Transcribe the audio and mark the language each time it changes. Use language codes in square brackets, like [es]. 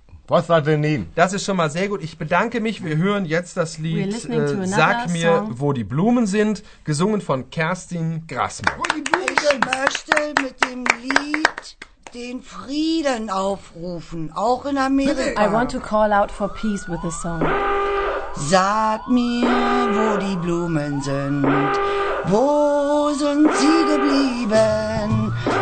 [de] Was soll denn nehmen? Das ist schon mal sehr gut. Ich bedanke mich. Wir hören jetzt das Lied Sag mir, [en] song. [de] Wo die Blumen sind, gesungen von Kerstin Grassmann. Wo die Blumen ich sind. Möchte mit dem Lied den Frieden aufrufen, auch in Amerika. [en] I want to call out for peace with the song. [de] Sag mir, wo die Blumen sind, wo sind sie geblieben?